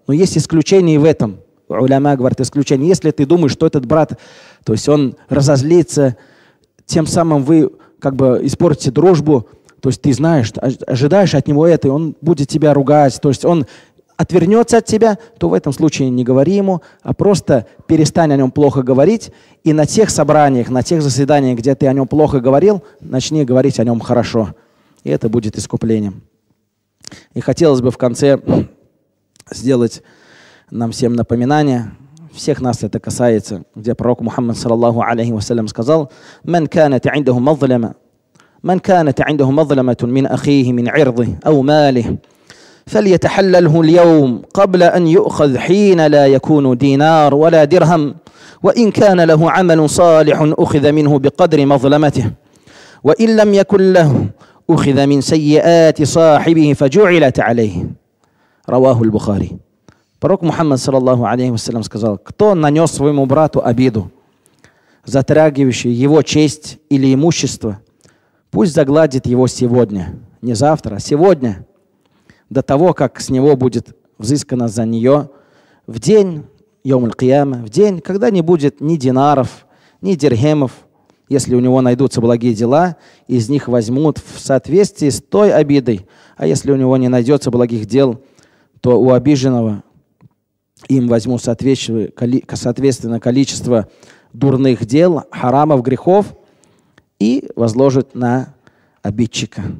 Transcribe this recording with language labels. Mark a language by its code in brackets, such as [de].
[ru] Но есть исключение в этом. Улема говорит, исключение. Если ты думаешь, что этот брат, то есть он разозлится, тем самым вы как бы испортите дружбу, то есть ты знаешь, ожидаешь от него это, и он будет тебя ругать, то есть он отвернется от тебя, то в этом случае не говори ему, а просто перестань о нем плохо говорить, и на тех собраниях, на тех заседаниях, где ты о нем плохо говорил, начни говорить о нем хорошо. И это будет искуплением. И хотелось бы в конце сделать нам всем напоминание. Всех нас это касается, где пророк Мухаммад, саллаллаху алейхи вассалям, сказал: [ar] «Мен канат индаху мазлама, мен канат индаху мазламатун мин ахихи мин ирзи ау мали, فليتحلله اليوم قبل أن يؤخذ حين لا يكون دينار ولا درهم وإن كان له عمل صالح أخذ منه بقدر مظلمته وإن لم يكن له أخذ من سيئات صاحبه فجعلت عليه رواه البخاري. [ru] Пророк Мухаммад саллаллаху алейхи ва саллям сказал: кто нанес своему брату обиду, затрагивающую его честь или имущество, пусть загладит его сегодня, не завтра, а сегодня, до того, как с него будет взыскано за нее в день Йом аль-Кияма, в день, когда не будет ни динаров, ни дирхемов, если у него найдутся благие дела, из них возьмут в соответствии с той обидой, а если у него не найдется благих дел, то у обиженного им возьмут соответственно количество дурных дел, харамов, грехов, и возложат на обидчика.